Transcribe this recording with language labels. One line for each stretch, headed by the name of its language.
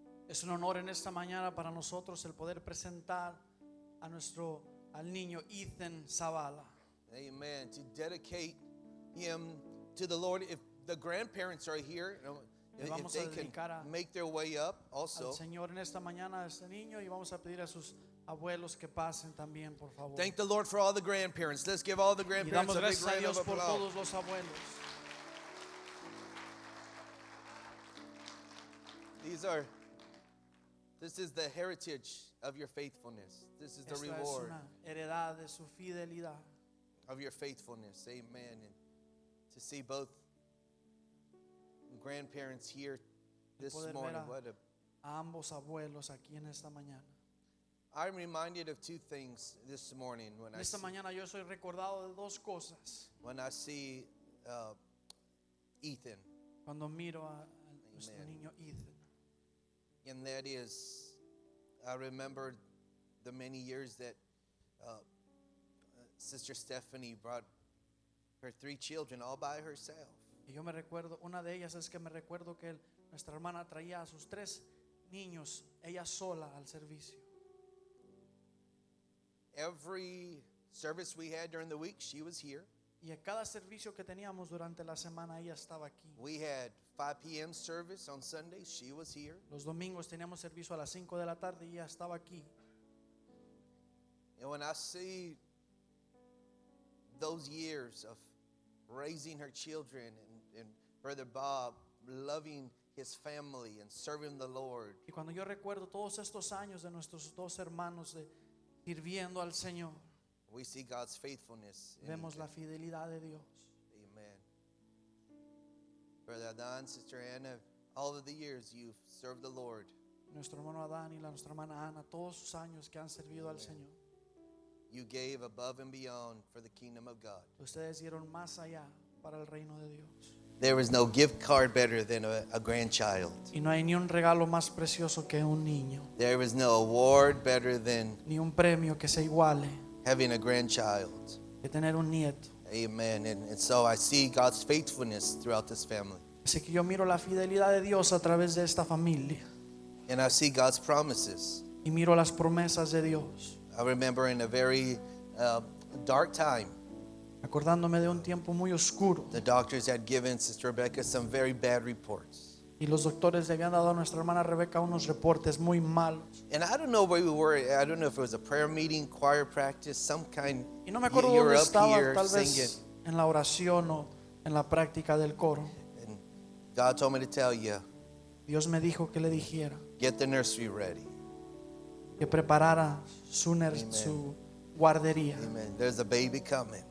Spanish: Es un honor en esta mañana para nosotros el poder presentar a nuestro al niño Ethan Zavala.
English: Amen. To dedicate him to the Lord. If the grandparents are here, if they can make their way up also.
Spanish: Al Señor en esta mañana a este niño y vamos a pedir a sus abuelos que pasen también, por favor.
English: Thank the Lord for all the grandparents. Let's give all the grandparents a big round of applause.
Spanish: Y damos gracias a Dios por todos los abuelos.
English: This is the heritage of your faithfulness. This is the reward.
Spanish: Esta es una heredad de su fidelidad.
English: Of your faithfulness, amen. And to see both grandparents here this morning. What a
Spanish: ambos abuelos aquí en esta mañana.
English: I'm reminded of two things this morning when
Spanish: esta
English: I see,
Spanish: mañana yo soy recordado de dos cosas.
English: When I see Ethan.
Spanish: Cuando miro a nuestro niño Ethan.
English: And that is, I remember the many years that Sister Stephanie brought her three children all by herself.
Spanish: Y yo me recuerdo, una de ellas es que me recuerdo que nuestra hermana traía a sus tres niños, ella sola al servicio.
English: Every service we had during the week, she was here.
Spanish: Y a cada servicio que teníamos durante la semana, ella estaba aquí.
English: We had 5 p.m. service on Sunday, she was here.
Spanish: Los domingos teníamos servicio a las 5 de la tarde y ella estaba aquí.
English: And when I see those years of raising her children and Brother Bob loving his family and serving the Lord.
Spanish: Y cuando yo recuerdo todos estos años de nuestros dos hermanos de sirviendo al Señor.
English: We see God's faithfulness.
Spanish: Vemos la fidelidad de Dios.
English: Amen. Brother Adán, Sister Anna, all of the years you've served the Lord.
Spanish: Nuestro hermano Adán y nuestra hermana Ana, todos sus años que han servido al Señor.
English: You gave above and beyond for the kingdom of God.
Spanish: Ustedes dieron más allá para el reino de Dios.
English: There is no gift card better than a grandchild.
Spanish: Y no hay ni un regalo más precioso que un niño.
English: There is no award better than
Spanish: ni un premio que se iguale
English: having a grandchild.
Spanish: Que tener un nieto.
English: Amen. And so I see God's faithfulness throughout this family.
Spanish: Así que yo miro la fidelidad de Dios a través de esta familia.
English: And I see God's promises.
Spanish: Y miro las promesas de Dios.
English: I remember in a very dark time.
Spanish: Acordándome de un tiempo muy oscuro.
English: The doctors had given Sister Rebecca some very bad reports.
Spanish: Y los doctores le habían dado a nuestra hermana Rebecca unos reportes muy malos.
English: And I don't know where we were. I don't know if it was a prayer meeting, choir practice, some kind.
Spanish: Y no me acuerdo dónde estaba, tal vez en la oración o en la práctica del coro.
English: And God told me to tell you.
Spanish: Dios me dijo que le dijera.
English: Get the nursery ready.
Spanish: Que preparara su guardería.
English: Amen. There's a baby coming.